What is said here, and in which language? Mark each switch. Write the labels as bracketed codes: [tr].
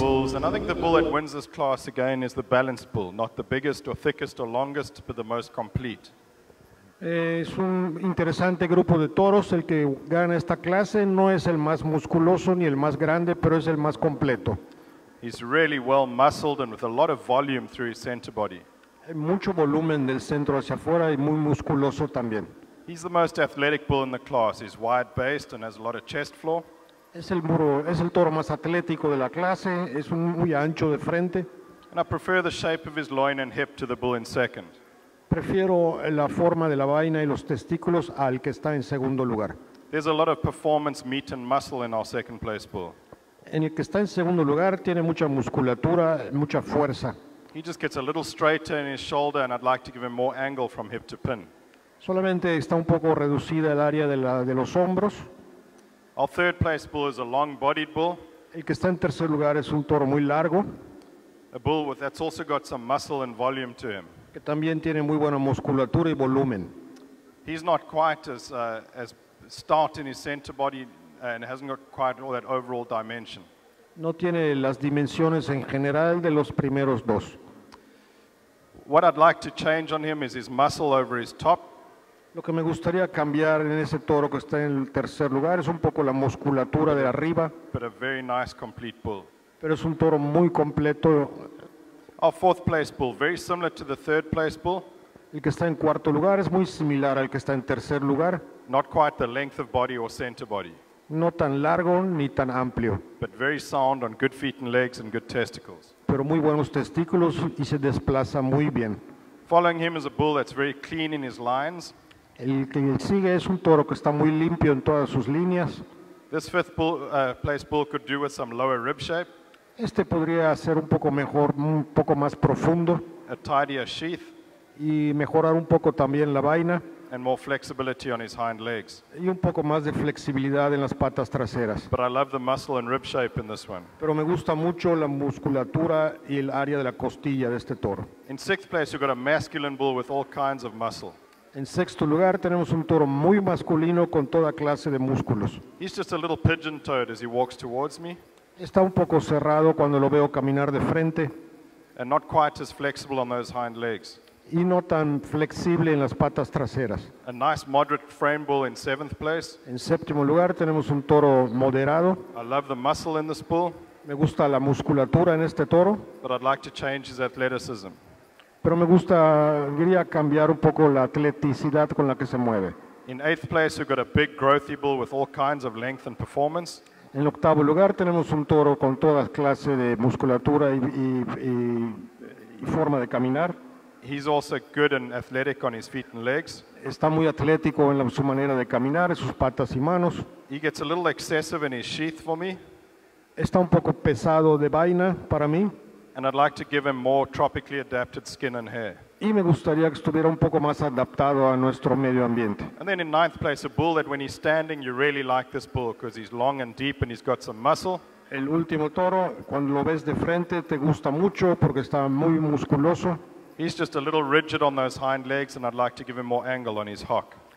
[en] And I think the bull that wins this class again is the balanced bull, not the biggest or thickest or longest, but the most complete. [es] Es un interesante grupo de toros el que gana esta clase. No es el más musculoso ni el más grande, pero es el más completo. [en] He's really well muscled and with a lot of volume through his center body. [es] Mucho volumen del centro hacia afuera y muy musculoso también. [en] He's the most athletic bull in the class. He's wide based and has a lot of chest floor. [es] Es el toro más atlético de la clase. Es un muy ancho de frente. [en] And I prefer the shape of his loin and hip to the bull in second. [es] Prefiero la forma de la vaina y los testículos al que está en segundo lugar. [en] There's a lot of performance, meat and muscle in our second place bull. [es] En el que está en segundo lugar tiene mucha musculatura, mucha fuerza. [en] He just gets a little straighter in his shoulder and I'd like to give him more angle from hip to pin. [es] Solamente está un poco reducida el área de los hombros. [en] Our third place bull is a long-bodied bull. [es] El que está en tercer lugar es un toro muy largo. [en] A bull with that's also got some muscle and volume to him. [es] Que también tiene muy buena musculatura y volumen. [en] He's not quite as stout in his center body and hasn't got quite all that overall dimension. [es] No tiene las dimensiones en general de los primeros dos. [en] What I'd like to change on him is his muscle over his top. [es] Lo que me gustaría cambiar en ese toro que está en el tercer lugar es un poco la musculatura de arriba. [en] But a very nice complete bull. [es] Pero es un toro muy completo. [en] Our fourth place bull, very similar to the third place bull. [es] El que está en cuarto lugar es muy similar al que está en tercer lugar. [en] Not quite the length of body or center body. [es] No tan largo ni tan amplio. [en] But very sound on good feet and legs and good testicles. [es] Pero muy buenos testículos y se desplaza muy bien. [en] Following him is a bull that's very clean in his lines. [es] El que sigue es un toro que está muy limpio en todas sus líneas. [en] This fifth bull, place bull could do with some lower rib shape. [es] Este podría ser un poco mejor, un poco más profundo. [en] A tidier sheath. [es] Y mejorar un poco también la vaina. [en] And more flexibility on his hind legs. [es] Y un poco más de flexibilidad en las patas traseras. [en] But I love the muscle and rib shape in this one. [es] Pero me gusta mucho la musculatura y el área de la costilla de este toro. [en] In sixth place, you've got a masculine bull with all kinds of muscle. [es] En sexto lugar tenemos un toro muy masculino con toda clase de músculos. [en] He's just a little pigeon-toed as he walks towards me. [es] Está un poco cerrado cuando lo veo caminar de frente. [en] And not quite as flexible on those hind legs. [es] Y no tan flexible en las patas traseras. [en] A nice moderate frame bull in seventh place. [es] En séptimo lugar tenemos un toro moderado. [en] I love the muscle in this bull. [es] Me gusta la musculatura en este toro. [en] But I'd like to change his athleticism. [es] Pero me gustaría cambiar un poco la atleticidad con la que se mueve. [en] In eighth place, we've got a big growthy bull with all kinds of length and performance. [es] En octavo lugar tenemos un toro con toda clase de musculatura y forma de caminar. [en] He's also good and athletic on his feet and legs. [es] Está muy atlético en su manera de caminar, en sus patas y manos. [en] He gets a little excessive in his sheath for me. [es] Está un poco pesado de vaina para mí. [en] And I'd like to give him more tropically adapted skin and hair. [es] Y me gustaría que estuviera un poco más adaptado a nuestro medio ambiente. [en] And then in ninth place, a bull that when he's standing, you really like this bull because he's long and deep and he's got some muscle. [es] El último toro, cuando lo ves de frente, te gusta mucho porque está muy musculoso. [en] He's just a little rigid on those hind legs and I'd like to give him more angle on his hock.